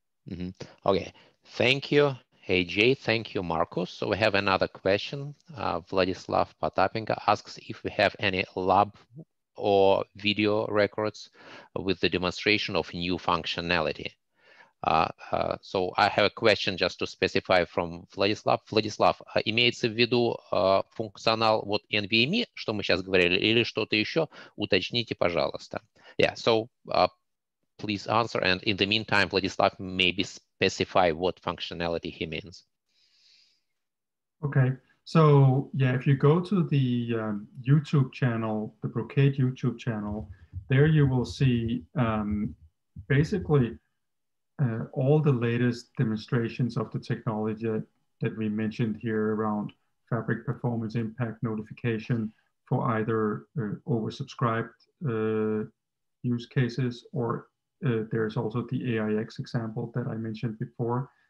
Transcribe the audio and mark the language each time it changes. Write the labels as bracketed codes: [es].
[en] Mm-hmm. Okay, thank you, AJ. Thank you, Marcus. So we have another question. Vladislav Potapenko asks if we have any lab or video records with the demonstration of new functionality. So I have a question just to specify from Vladislav. [ru] Vladislav, имеется в виду функционал вот NVMe, что мы сейчас говорили, или что-то еще? Уточните, пожалуйста. [en] Yeah, so please answer. And in the meantime, Vladislav, maybe specify what functionality he means. Okay. So yeah, if you go to the YouTube channel, the Brocade YouTube channel, there you will see basically all the latest demonstrations of the technology that we mentioned here around fabric performance impact notification for either oversubscribed use cases, or there's also the AIX example that I mentioned before.